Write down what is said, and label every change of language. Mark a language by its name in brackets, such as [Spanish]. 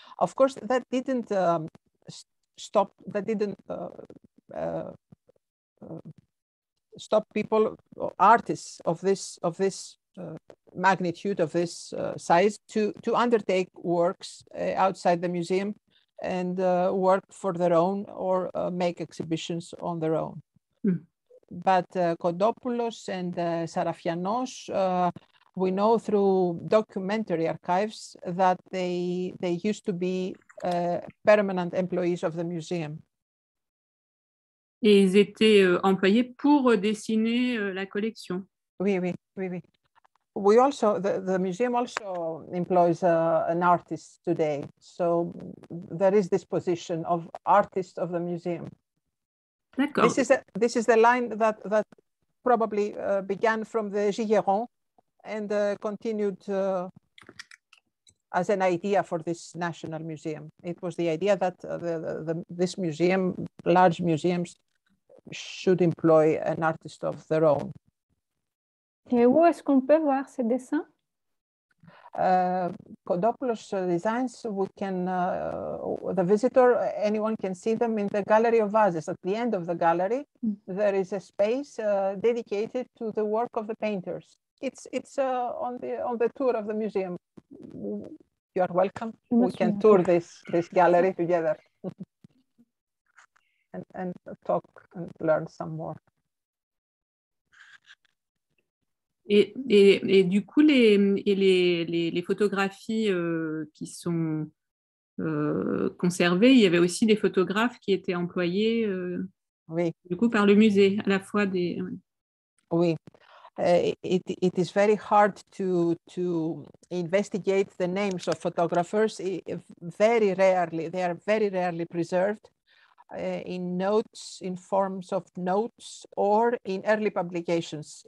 [English] Of course, that didn't stop. That didn't stop people, artists of this magnitude, of this size, to undertake works outside the museum and work for their own or make exhibitions on their own. Mm. But Kodopoulos and Sarafianos, we know through documentary archives that they used to be permanent employees of the museum. [French] Et ils étaient employés pour dessiner la collection. Oui. [English] We also, the museum also employs an artist today. So there is this position of artist of the museum. [French] D'accord. [English] This is the line that probably began from the Gigueron and continued as an idea for this national museum. It was the idea that this museum, large museums, should employ an artist of their own. [French] Et où est-ce qu'on peut voir ces dessins? [English] Kodopoulos designs, we can, the visitor, anyone can see them in the Gallery of Vases. At the end of the gallery, there is a space dedicated to the work of the painters. It's on the tour of the museum. You are welcome. We can tour this gallery together and talk and learn some more. [French] Et du coup, les photographies qui sont conservées, il y avait aussi des photographes qui étaient employés oui. Du coup, par le musée, à la fois des... Oui. [English] It is very hard to investigate the names of photographers. Very rarely, they are very rarely preserved in notes, in forms of notes, or in early publications.